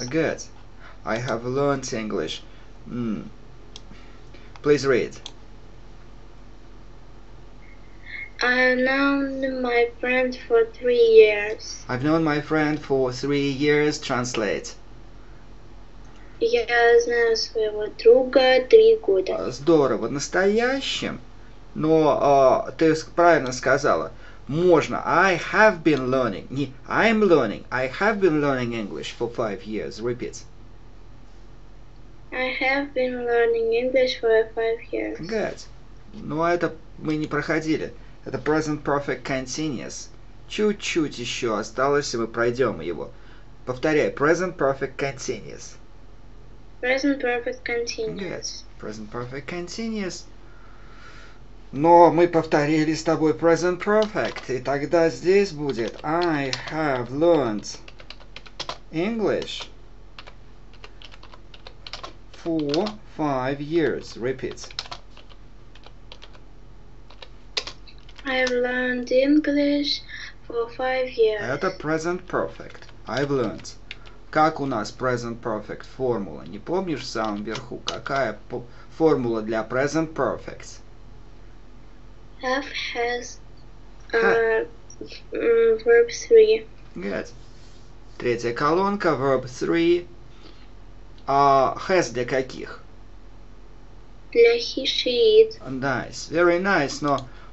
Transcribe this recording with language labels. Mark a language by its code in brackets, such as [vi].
[en] Good. I have learned English. Please read. I've known my friend for 3 years. I've known my friend for 3 years. Translate. [ru] Я знаю своего друга 3 года. Здорово. В настоящем. Но ты правильно сказала. Можно. [en] I have been learning. [ru] Не [en] I'm learning. I have been learning English for 5 years. Repeat. I have been learning English for 5 years. Good. [ru] Но это мы не проходили. Это [en] present perfect continuous. [ru] Чуть-чуть еще осталось, и мы пройдем его. Повторяй. [en] Present perfect continuous. Present perfect continuous. Good. Present perfect continuous. [ru] Но мы повторили с тобой present perfect. И тогда здесь будет [en] I have learned English for 5 years. Repeat. I've learned English for 5 years. [ru] Это [en] present perfect. I've learned. [ru] Как у нас present perfect формула? Не помнишь в самом верху? Какая формула для present perfect? [en] Have has verb 3. Good. [ru] Третья колонка, verb 3. Has для каких? Для [en] he, she, it. Nice. Very nice, [ru] но...